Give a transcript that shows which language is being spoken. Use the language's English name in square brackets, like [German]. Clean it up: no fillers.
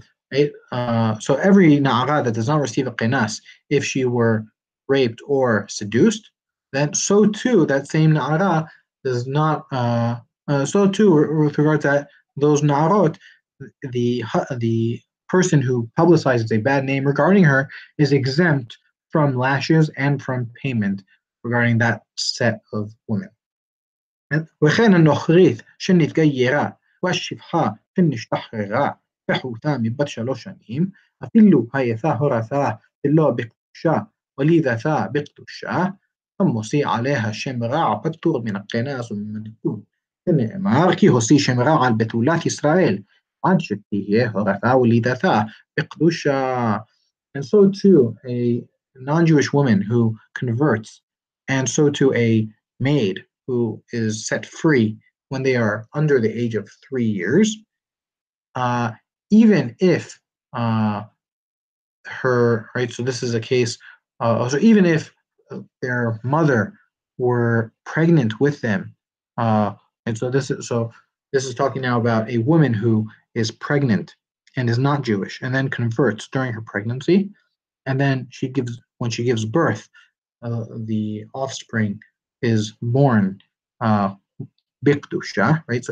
[English] So every na'ara that does not receive a qinas, if she were raped or seduced, then so too that same na'ara does not, so too with regard to that, those na'arot, the person who publicizes a bad name regarding her is exempt from lashes and from payment regarding that set of women. [Hebrew] וכן הנוכרית שנתגיירה והשפחה שנשתחררה פחותה מבת שלוש שנים, אפילו הייתה הורתה ולא בקדושה ולידתה בקדושה, המוסי עליה שם רע פטור מן הקנס וממנקות. שנאמר כי הוסי שם רע על בתולת ישראל, עד שתהיה הורתה ולידתה בקדושה. [English] And so too, a non-Jewish woman who converts, and so to a maid who is set free when they are under the age of 3 years, even if her, right, so this is a case, so even if their mother were pregnant with them, and so this is talking now about a woman who is pregnant and is not Jewish and then converts during her pregnancy, and then when she gives birth, the offspring is born bikdusha, right?